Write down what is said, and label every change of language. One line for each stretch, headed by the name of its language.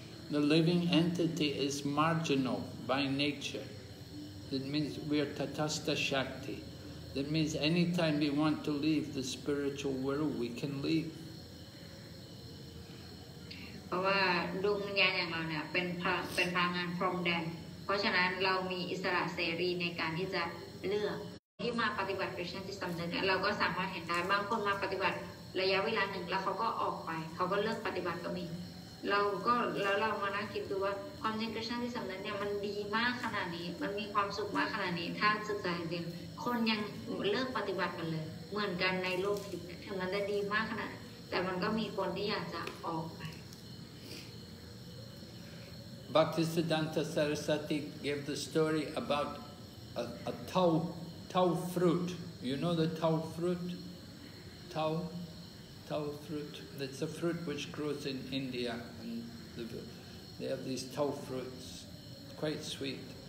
English: The living entity is marginal by nature. That means we are tatastha shakti. That means anytime we want to leave the spiritual world, we can leave.
Thai: เพราะว่าดวงวิญญาณอย่างเราเนี่ยเป็นพลังงานพรมแดนเพราะฉะนั้นเรามีอิสระเสรีในการที่จะเลือกที่มาปฏิบัติคริสต์ธรรมจริงๆเราก็สามารถเห็นได้บางคนมาปฏิบัติระยะเวลาหนึ่งแล้วเขาก็ออกไปเขาก็เลิกปฏิบัติก็มีเราก็แล้วเรามานั่งคิดดูว่าความจริงคริสต์ธรรมจริงๆเนี่ยมันดีมากขนาดนี้มันมีความสุขมากขนาดนี้ถ้าสุดใจจริงคนยังเลิกปฏิบัติกันเลยเหมือนกันในโลกทิพย์ถึงมันจะดีมากขนาดแต่มันก็มีคนที่อยากจะออก
English: Bhaktisiddhanta Saraswati gave the story about a tau fruit. You know the tau fruit? Tau? tau fruit. That's a fruit which grows in India, and they have these tau fruits, quite sweet.